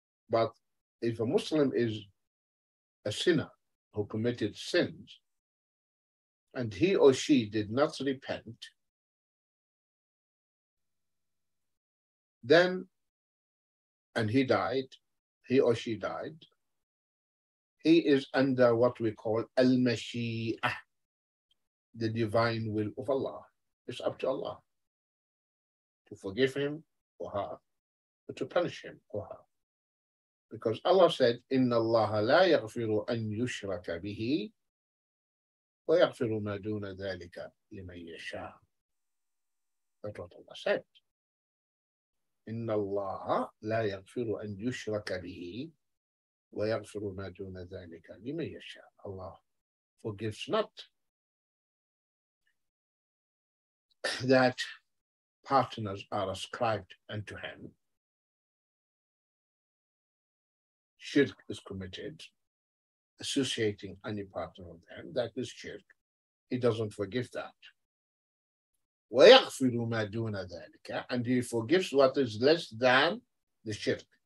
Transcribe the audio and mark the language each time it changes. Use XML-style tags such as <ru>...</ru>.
<en>But if a Muslim is a sinner who committed sins, and he or she did not repent, then, and he died, he or she died, he is under what we call al-mashi'ah, the divine will of Allah. It's up to Allah to forgive him or her, or to punish him or her. Because Allah said,</en> <ar>إِنَّ اللَّهَ لَا يَغْفِرُ أَنْ يُشْرَكَ بِهِ وَيَغْفِرُ مَا دُونَ ذَلِكَ لِمَنْ يَشَاءُ.</ar> <en>That's what Allah said.</en> <ar>إِنَّ اللَّهَ لَا يَغْفِرُ أَنْ يُشْرَكَ بِهِ وَيَغْفِرُ مَا دُونَ ذَلِكَ لِمَنْ يَشَاءُ.</ar> <en>Allah forgives not that partners are ascribed unto him, shirk is committed, associating any partner with him, that is shirk. He doesn't forgive that.</en> <ar>وَيَغْفِرُ مَا دُونَ ذَلِكَ,</ar> <en>and he forgives what is less than the shirk.</en>